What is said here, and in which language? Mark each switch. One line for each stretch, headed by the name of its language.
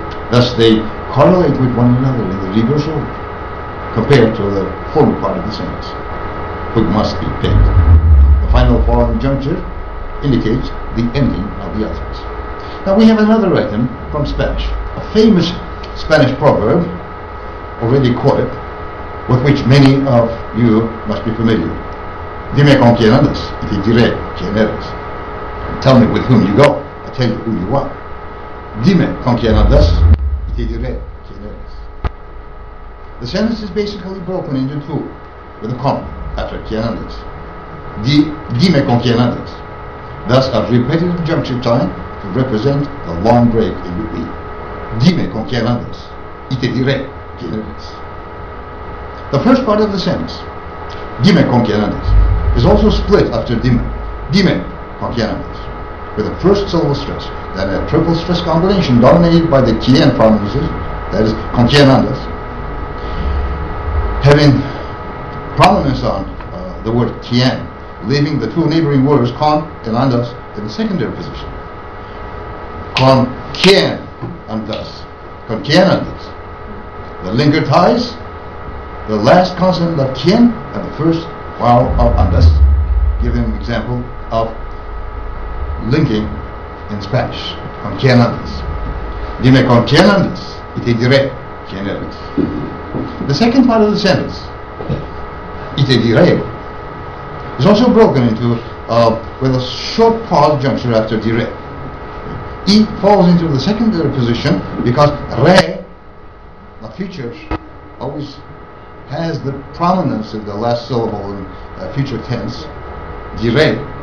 English: Thus they correlate with one another in the reverse order compared to the former part of the sentence, which must be bent. The final fallen juncture indicates the ending of the utterance. Now we have another item from Spanish, a famous Spanish proverb already quoted, with which many of you must be familiar.
Spanish: Dime con quién andas, y te diré quién eres.
English: Tell me with whom you go, I tell you who you are.
Spanish: Dime con quién andas, y te diré quién eres.
English: The sentence is basically broken into two, with a comma after
Spanish: quién andas. Dime con quién andas.
English: Thus, a repetitive juncture time to represent the long break in between.
Spanish: Dime con quién andas, y te diré quién eres.
English: The first part of the sentence,
Spanish: dime con quién andas,
English: is also split after dime.
Spanish: Dime con quién andas,
English: with a first syllable stress, then a triple stress combination dominated by the quién pronunciation, that is,
Spanish: con quién andas,
English: having prominence on the word quién, leaving the two neighboring words con and andas in the secondary position.
Spanish: Con quién andas, con quién andas,
English: the linger ties the last consonant of quien and the first vowel of andas, giving an example of linking in Spanish.
Spanish: Con quien andas. Dime con quien andas, y te diré quien eres.
English: The second part of the sentence,
Spanish: y te diré,
English: is also broken into with a short pause juncture after diré. E falls into the secondary position because re, the future, always has the prominence of the last syllable in future tense, dire.